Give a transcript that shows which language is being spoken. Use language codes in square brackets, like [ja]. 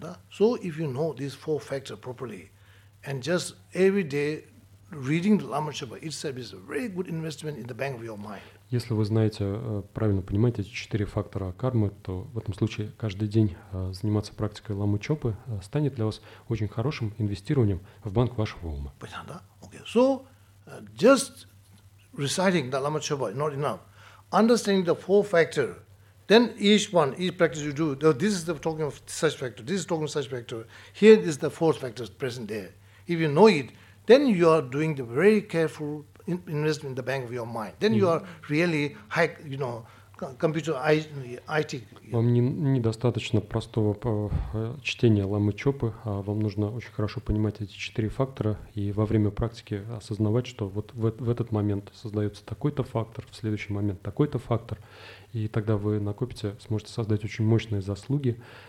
[en] So if you know these four factors properly, and just every day reading the Lama Chöpa itself is a very good investment in the bank of your mind. [ru] Если вы знаете, правильно понимаете эти четыре фактора кармы, то в этом случае каждый день заниматься практикой Ламы Чопы станет для вас очень хорошим инвестированием в банк вашего ума. Понятно, да? Okay. [en] So, just reciting the Lama Chöpa is not enough. Understanding the four factors, then each practice you do, this is the talking of such factor, this is talking of such factor, here is the fourth factor present there. If you know it, then you are doing the very careful investment in the bank of your mind. Then you are really high, you know, computer IT. [ru] Вам недостаточно простого чтения Ламы Чопы, а вам нужно очень хорошо понимать эти четыре фактора и во время практики осознавать, что вот в этот момент создается такой-то фактор, в следующий момент такой-то фактор, и тогда вы накопите, сможете создать очень мощные заслуги.